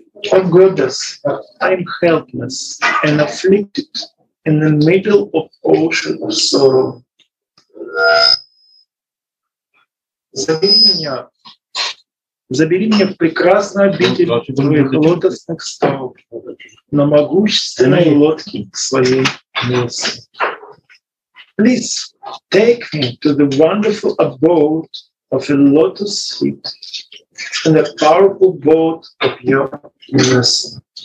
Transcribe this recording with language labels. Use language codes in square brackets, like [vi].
[en] О goddess, I am helpless and afflicted in the middle of ocean of sorrow. [ru] Забери меня в прекрасную обитель твоих лотосных стоп на могущественной лодке своей милости. [en] Please take me to the wonderful abode of your lotus feet and the powerful boat of your mercy.